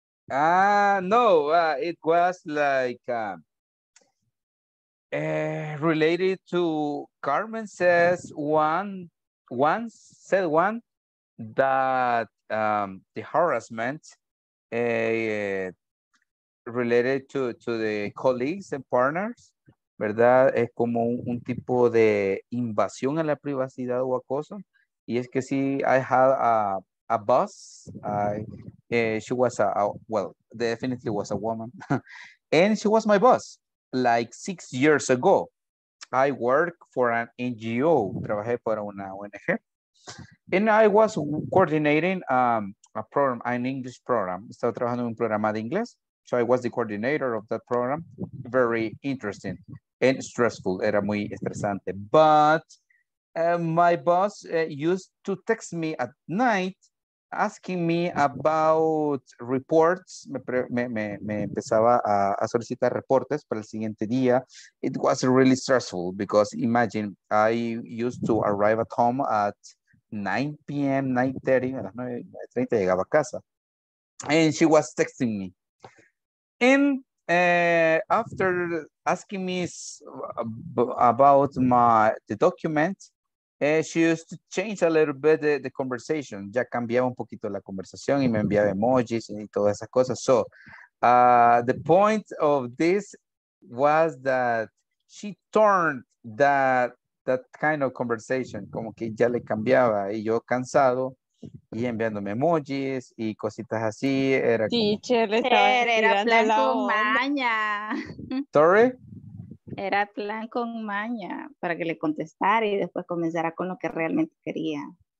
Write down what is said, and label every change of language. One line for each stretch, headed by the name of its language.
English: Ah, no, it was like related to Carmen says once said that the harassment related to the colleagues and partners, ¿verdad?
Spanish: Es como un tipo de invasión a la privacidad o acoso.
English: Y es que sí, I had a boss, she was definitely was a woman, and she was my boss, like 6 years ago. I worked for an NGO, trabajé para una ONG, and I was coordinating an English program. Estaba trabajando en un programa de inglés, so I was the coordinator of that program. Very interesting and stressful, era muy estresante, but my boss used to text me at night, asking me about reports.
Spanish: Me empezaba a solicitar reportes para el siguiente día.
English: It was really stressful because imagine, I used to arrive at home at 9 p.m., 9:30, a las 9:30 llegaba a casa. And she was texting me. And after asking me about the documents, She used to change a little bit the conversation.
Spanish: Ya cambiaba un poquito la conversación y me enviaba emojis y todas esas cosas.
English: So, the point of this was that she turned that kind of conversation.
Spanish: Como que ya le cambiaba y yo cansado y enviándome emojis y cositas así. Era como, teacher, le estaba tirando la maña.
English: Sorry?
Spanish: Era plan con maña para que le contestara y después comenzara con lo que realmente quería.